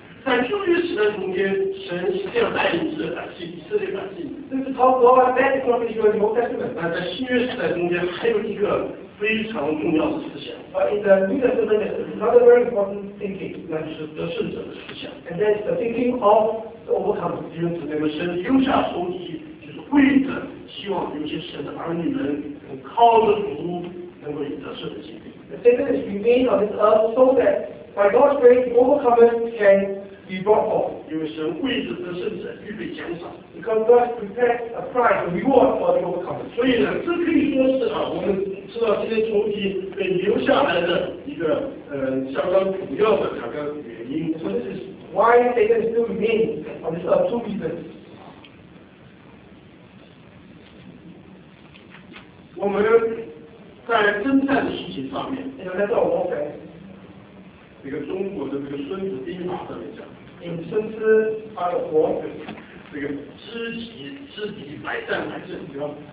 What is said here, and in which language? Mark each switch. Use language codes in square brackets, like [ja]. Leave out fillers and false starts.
[zh] 在旧约时代中间，神是这样带领以色列百姓。那在新约时代中间，还有一个。非常重要的思想。 [en] In the Buddha system, it's another very important thinking. [zh] 那就是得胜者的思想。 [en] And that's the thinking of the overcomer. [zh] 就是那么神留下仇敌，就是为了希望有些神的儿女们能靠着主能够得胜的经历。 [en] The Satan is remained on this earth so that by God's grace, overcomers can be brought home. [zh] 因为神为着得胜者预备奖赏。 [en] Because God prepared a prize, a reward for the overcomer. [zh] 所以呢，这可以说是啊，我们知道这些仇敌被留下来的一个相当主要的两个原因。 [en] So this is why Satan still remains on this earth, two reasons. [zh] 我们在征战的事情上面，来到我们这个中国的这个《孙子兵法》上面讲，引孙子发的火，这个知己百战百胜，对吧？